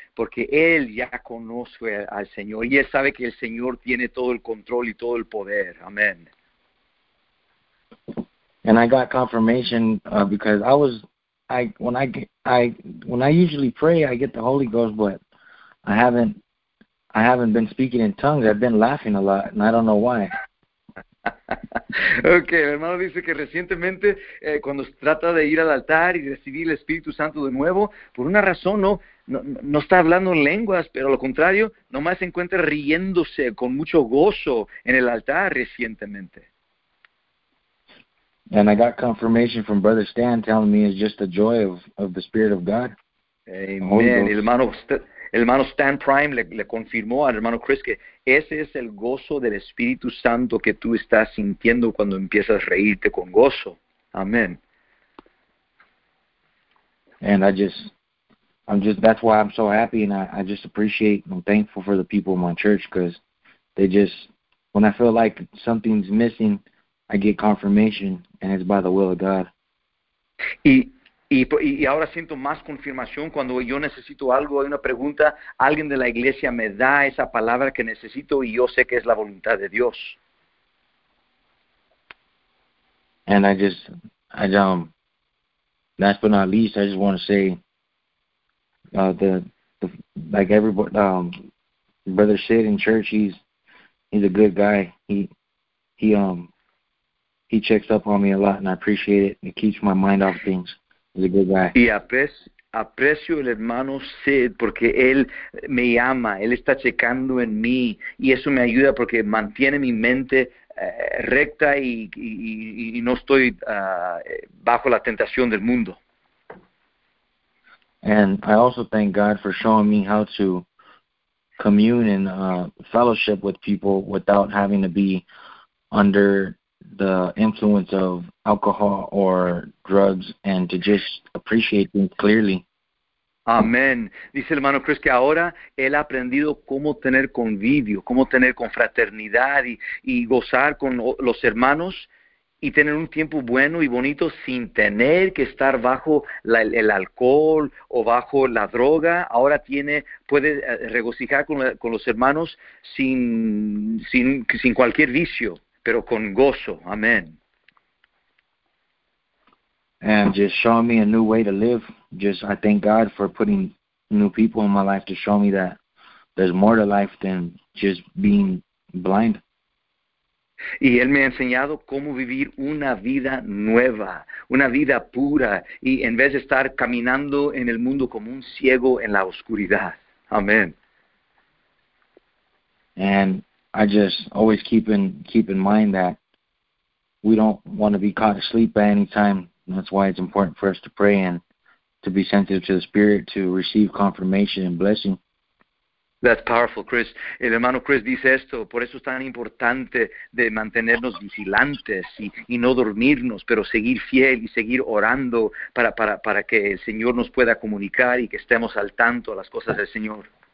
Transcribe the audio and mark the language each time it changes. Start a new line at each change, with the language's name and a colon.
Spanish: Porque él ya conoce al Señor y él sabe que el Señor tiene todo el control y todo el poder. Amén.
English: And I got confirmation because when I usually pray, I get the Holy Ghost, but I haven't been speaking in tongues. I've been laughing a lot, and I don't know why.
Spanish: Okay, el hermano dice que recientemente cuando se trata de ir al altar y recibir el Espíritu Santo de nuevo, por una razón no está hablando en lenguas, pero al contrario, nomás se encuentra riéndose con mucho gozo en el altar recientemente.
English: And I got confirmation from Brother Stan telling me it's just the joy of the Spirit of God. Amen.
Spanish: El hermano Stan Prime le confirmó al hermano Chris que ese es el gozo del Espíritu Santo que tú estás sintiendo cuando empiezas a reírte con gozo.
English: Amen. And that's why I'm so happy and I just appreciate and I'm thankful for the people in my church because they just, when I feel like something's missing, I get confirmation, and it's by the will of God.
Spanish: Y ahora siento más confirmación cuando yo necesito algo, hay una pregunta, alguien de la iglesia me da esa palabra que necesito y yo sé que es la voluntad de Dios.
English: And last but not least, I just want to say, Brother Sid in church, he's a good guy. He checks up on me a lot, and I appreciate it. It keeps my mind off things. He's a good guy.
Spanish: Aprecio el hermano Sid porque él me llama, él está checando en mí y eso me ayuda porque mantiene mi mente recta y no estoy bajo la tentación del mundo.
English: And I also thank God for showing me how to commune and fellowship with people without having to be under the influence of alcohol or drugs and to just appreciate things clearly.
Spanish: Amén. Dice el hermano Chris que ahora él ha aprendido cómo tener convivio, cómo tener confraternidad y gozar con los hermanos y tener un tiempo bueno y bonito sin tener que estar bajo el alcohol o bajo la droga. Ahora puede regocijar con los hermanos sin cualquier vicio, pero con gozo. Amén.
English: And just showing me a new way to live. Just I thank God for putting new people in my life to show me that there's more to life than just being blind.
Spanish: Y él me ha enseñado cómo vivir una vida nueva, una vida pura, y en vez de estar caminando en el mundo como un ciego en la oscuridad.
English: Amen. And I just always keep in mind that we don't want to be caught asleep at any time. That's why it's important for us to pray and to be sensitive to the Spirit to receive confirmation and blessing. That's powerful, Chris.
Spanish: El hermano Chris dice esto, por eso es tan importante de mantenernos vigilantes y no dormirnos, pero seguir fiel y seguir orando para que el Señor nos pueda comunicar y que estemos al tanto a las cosas del Señor.